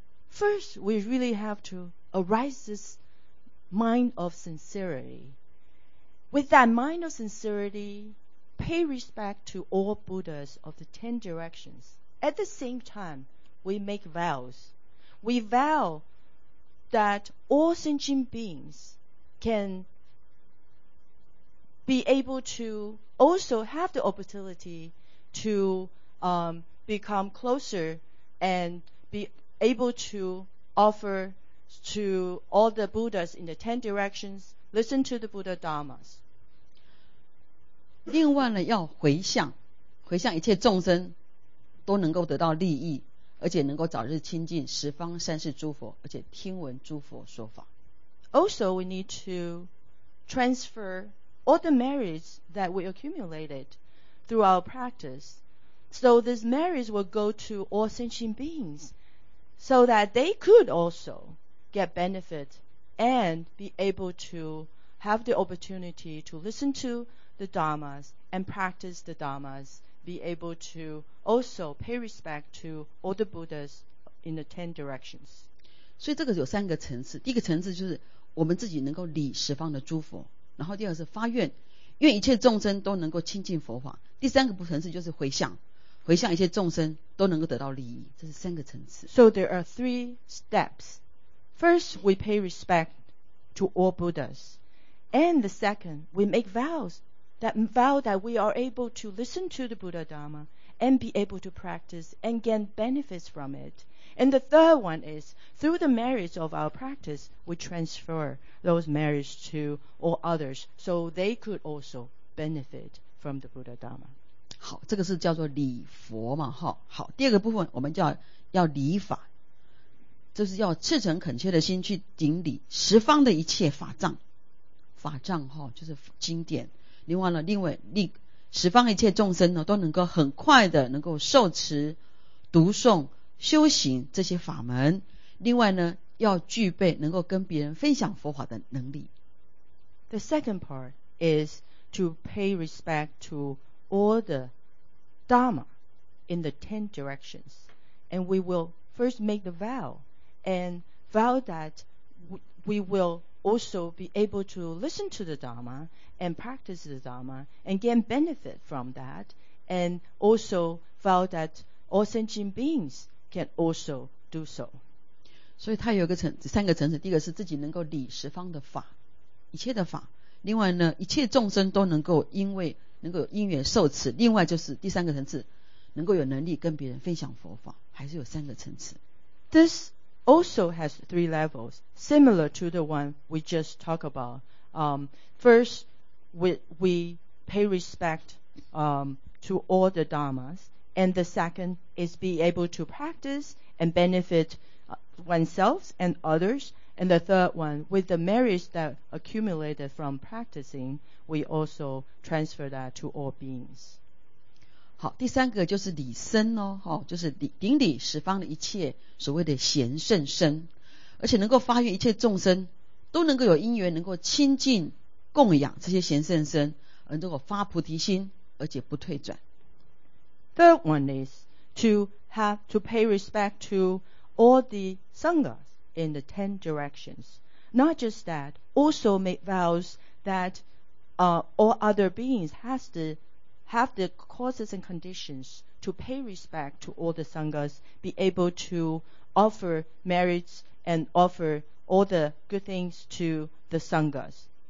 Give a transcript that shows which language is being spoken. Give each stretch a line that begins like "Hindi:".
English: First, we really have to arise this mind of sincerity. With that mind of sincerityPay respect to all Buddhas of the Ten Directions. At the same time, we make vows. We vow that all sentient beings can be able to also have the opportunity to become closer and be able to offer to all the Buddhas in the Ten Directions, listen to the Buddha Dharmas.
Chinese: 另外呢，要回向，回向一切众生都能够得到利益，而且能够早日亲近十方三世诸佛，而且听闻诸佛说法。
English: Also, we need to transfer all the merits that we accumulated through our practice. So these merits will go to all sentient beings, so that they could also get benefit and be able to have the opportunity to listen to the Dharmas and practice the Dharmas, be able to also pay respect to all the Buddhas in the Ten Directions.
Chinese: 所以这个有三个层次，第一个层次就是我们自己能够礼十方的诸佛，然后第二是发愿，愿一切众生都能够亲近佛法，第三个层次就是回向，回向一切众生都能够得到利益，这是三个层次。
English: So there are three steps. First, we pay respect to all Buddhas. And the second, we make vows that vow that we are able to listen to the Buddha Dhamma and be able to practice and gain benefits from it. And the third one is, through the merits of our practice, we transfer those merits to all others so they could also benefit from the Buddha Dhamma.
Chinese: 好，这个是叫做礼佛嘛，哈。好，第二个部分我们叫要礼法，就是要赤诚恳切的心去顶礼十方的一切法藏，法藏哈就是经典。另外呢，另外令十方一切众生呢都能够很快的能够受持、读诵、修行这些法门。另外呢，要具备能够跟别人分享佛法的能力。
English: The second part is to pay respect to all the Dharma in the 10 directions. And we will first make the vow and vow that we will also be able to listen to the Dharma and practice the Dharma and gain benefit from that, and also vow that all sentient beings can also do so.
Chinese: 所以它有个层，三个层次，第一个是自己能够理十方的法，一切的法，另外呢，一切众生都能够因为能够因缘受持，另外就是第三个层次，能够有能力跟别人分享佛法，还是有三个层次。
English: This also has three levels, similar to the one we just talked about. First, we pay respect to all the dharmas, and the second is be able to practice and benefit oneself and others, and the third one, with the merits that accumulated from practicing, we also transfer that to all beings.
Chinese: 好，第三个就是礼身哦，哈，就是顶礼十方的一切所谓的贤圣身，而且能够发愿一切众生都能够有因缘能够亲近供养这些贤圣身，而能够发菩提心，而且不退转。
English: Third one is to pay respect to all the sangha in the 10 directions. Not just that, also make vows that all other beings have the causes and conditions to pay respect to all the sanghas, be able to offer merits and offer all the good things to the sanghas.